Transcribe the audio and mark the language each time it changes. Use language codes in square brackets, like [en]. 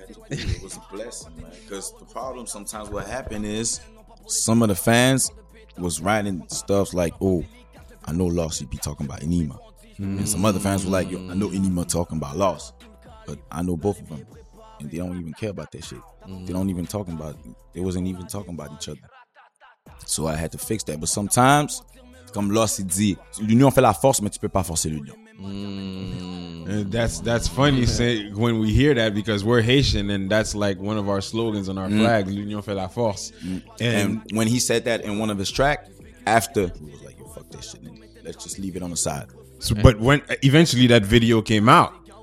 [en] It was a blessing, man. Because the problem sometimes what happened is some of the fans was writing stuff like, oh, I know Lost he'd be talking about Enema. Mm. And some other fans were like, yo, I know Enema talking about Lost, but I know both of them. And they don't even care about that shit. Mm. They don't even talking about it. They wasn't even talking about each other. So I had to fix that. But sometimes, [fr] comme Lost il dit, l'union fait la force, mais tu peux pas forcer l'union. [en] And that's funny say, when we hear that, because we're Haitian and that's like one of our slogans on our flag, [fr] l'union fait la force. [en] And when he said that in one of his tracks, after, he was like, yo, fuck this shit, let's just leave it on the side. So, but when eventually that video came out.